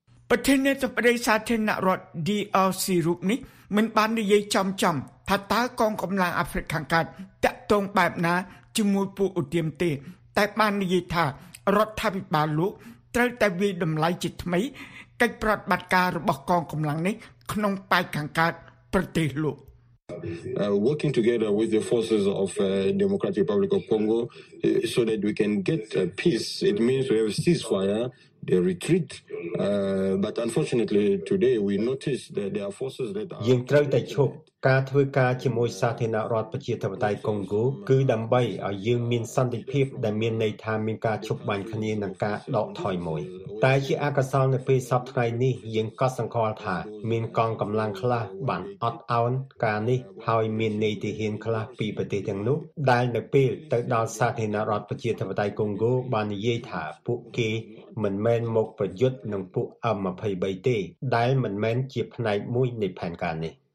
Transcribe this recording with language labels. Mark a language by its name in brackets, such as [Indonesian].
[Khmer] ប្រធានាធិបតីសាធារណរដ្ឋ DRC រូបនេះមិនបាននិយាយចំចំថាតើកងកម្លាំងអាហ្វ្រិកខាងកើតតាក់ទងបែបណាជាមួយពួកឧទាមទេតែបាននិយាយថារដ្ឋាភិបាលលោកត្រូវតែវិយតម្លៃជាថ្មីកិច្ចប្រតិបត្តិការរបស់កងកម្លាំងនេះក្នុងប៉ែកខាងកើតប្រទេសលោក [English] Working together with the forces of Democratic Republic of Congo so that we can get peace it means we have ceasefire the retreat but unfortunately today we notice that there are forces that are [Khmer] យើងត្រូវតែឈប់ការធ្វើការជាមួយសាធារណរដ្ឋប្រជាធិបតេយ្យកុងហ្គូគឺដើម្បីឲ្យយើងមានសន្តិភាពដែលមានន័យថាមានការឈប់បាញ់គ្នានិងការដកថយមួយ តែជាអកុសលនៅពេលសប្តាហ៍នេះយើងក៏សង្កល់ថាមានកងកម្លាំងខ្លះបានអត់ឱនការនេះហើយមាននាយទាហានខ្លះពីប្រទេសទាំងនោះដែលនៅពេលទៅដល់សាធារណរដ្ឋប្រជាធិបតេយ្យកុងហ្គូបាននិយាយថាពួកគេមិនមែនមកប្រយុទ្ធនឹងពួក M23 ទេដែលមិនមែនជាផ្នែកមួយនៃផែនការនេះ